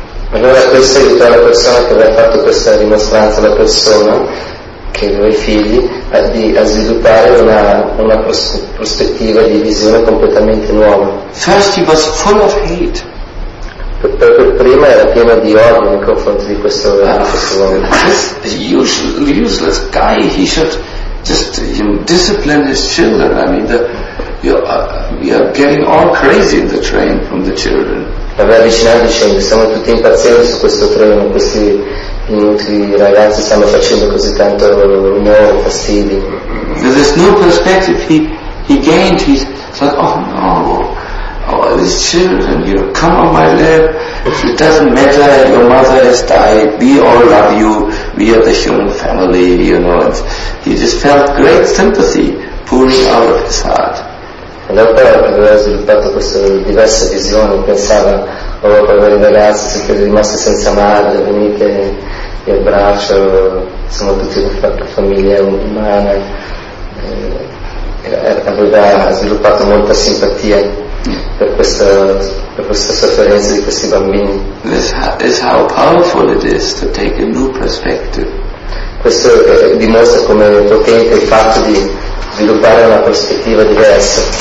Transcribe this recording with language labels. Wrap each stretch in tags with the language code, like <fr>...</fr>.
<it>Allora questo aiuta la persona che aveva fatto questa dimostranza, la persona che aveva i figli, a sviluppare una prospettiva di visione completamente nuova.</it> <en>First he was full of hate.</en> <it>Per prima era pieno di odio nei confronti di questo uomo.</it> <en>This useless guy, he should just discipline his children. I mean, we are getting all crazy in the train from the children.</en> <it>L'aveva avvicinato dicendo, siamo tutti impazienti su questo treno, questi inutili ragazzi stanno facendo così tanto rumore, fastidio.</it> <en>With this new perspective he gained, he thought, oh no, oh, these children, you know, come on my lap, it doesn't matter, your mother has died, we all love you, we are the human family, you know, and he just felt great sympathy pouring out of his heart.</en> <it>Allora aveva sviluppato questa diversa visione, pensava, oh, poveri ragazzi, siete rimasti senza madre, venite, vi abbraccio, siamo tutti una famiglia umana, aveva sviluppato molta simpatia per questa sofferenza di questi bambini.</it> <en>This is how powerful it is to take a new perspective.</en> <it>Questo dimostra come potente il fatto di sviluppare una prospettiva diversa.</it>